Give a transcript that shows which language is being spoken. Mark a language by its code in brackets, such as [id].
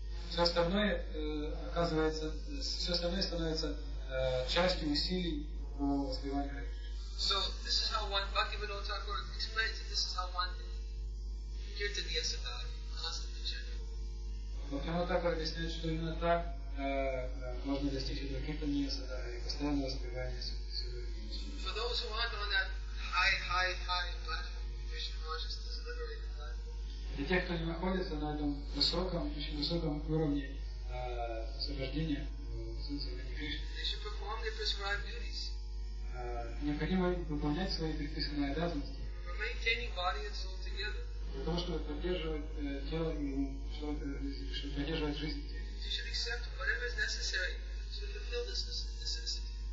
[ru] Все остальное оказывается, все остальное становится частью усилий по воспеванию Харе Кришне. [en] So this is how one Bhaktivinoda Thakur explains that this is how one Kirtaniya Sadhari constantly chanting. [ru] Бхактивинода Такур объясняет, что именно так можно достичь этого Киртания Садхари и постоянного воспевания Святого Кришны. [en] For those who aren't on that high platform, Krishna consciousness liberating platform. [ru] Для тех, кто не находится на этом высоком, очень высоком уровне освобождения Святого Кришны, [en] they should perform their prescribed duties. [ru] Необходимо выполнять свои предписанные обязанности. [en] For maintaining body and soul together. [ru] Для того, чтобы поддерживать тело и чтобы поддерживать жизнь. [en] You should accept whatever is necessary to fulfill this necessity.